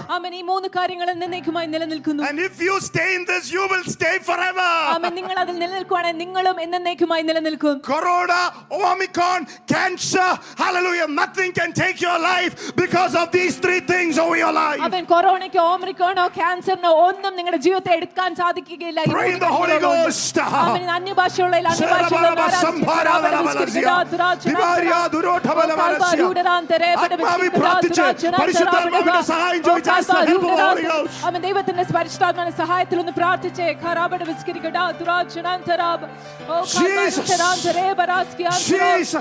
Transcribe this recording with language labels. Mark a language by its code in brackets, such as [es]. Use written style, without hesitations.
[ml] ആമേൻ ഈ മൂന്ന് കാര്യങ്ങൾ എന്നേക്കുമായി നിലനിൽക്കുന്നു. [en] And if you stay in this you will stay forever. [ml] ആമേൻ നിങ്ങൾ അതിൽ നിലനിൽക്കുവാണെങ്കിൽ നിങ്ങളും എന്നേക്കുമായി നിലനിൽക്കും. [en] Corona, Omicron, cancer, hallelujah, nothing can take your life because of these three things over your life. [ml] ആമേൻ കൊറോണയ്ക്കോ ഒമിക്രോണോ കാൻസറിനോ ഒന്നും നിങ്ങളുടെ ജീവിതത്തെ എടുക്കാൻ സാധിക്കുകയില്ല. [en] Pray the Holy Ghost. [ml] ആമേൻ അന്യഭാഷയുള്ള ദൈവത്തിന്റെ പരിശുദ്ധാത്മാവിന്റെ സഹായത്തിൽ ഒന്ന് പ്രാർത്ഥിച്ചേ ഖരാബട വിസ്കരിക്കടാ ദുരാചനാന്തരാബ് ഓ ഖരാബടാന്തരേ